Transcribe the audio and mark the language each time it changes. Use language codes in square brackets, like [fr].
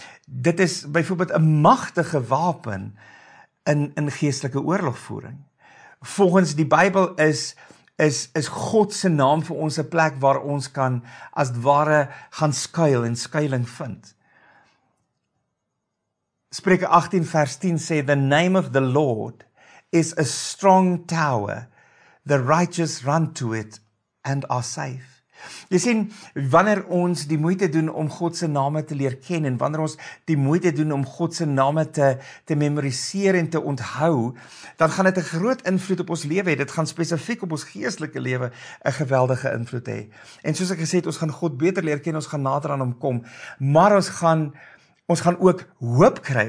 [af] Dit is byvoorbeeld 'n magtige wapen in geestelike oorlogvoering. Volgens die Bybel is God se naam vir ons 'n plek waar ons kan as ware gaan skuil en skuiling vind. Spreuke 18 vers 10 sê, [en] the name of the Lord is a strong tower, the righteous run to it and are safe. [af] Jy sien, wanneer ons die moeite doen om God se name te leer ken en wanneer ons die moeite doen om God se name te memoriseer en te onthou, dan gaan dit 'n groot invloed op ons lewe hê. Dit gaan spesifiek op ons geestelike lewe 'n geweldige invloed hê. En soos ek gesê het, ons gaan God beter leer ken, ons gaan nader aan hom kom, maar ons gaan ook hoop kry.